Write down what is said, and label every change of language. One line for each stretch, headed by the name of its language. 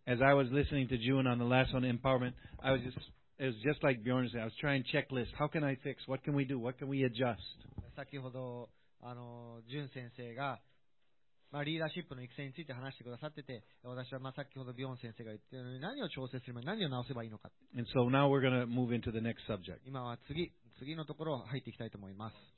English: As I was listening to June on the last one, empowerment, I was just... It was just like Bjorn said. I was trying checklist. How can I fix? What can we do? What can we adjust?
Japanese: 先ほど、淳先生が、まあ、リーダーシップの育成について話してくださってて、私は、まあ、先ほどビョン先生が言ってるのに何を調整するのに何を直せばいいのか。
English: And so now we're going to move into the next subject.
Japanese: 今は次のところ入っていきたいと思います。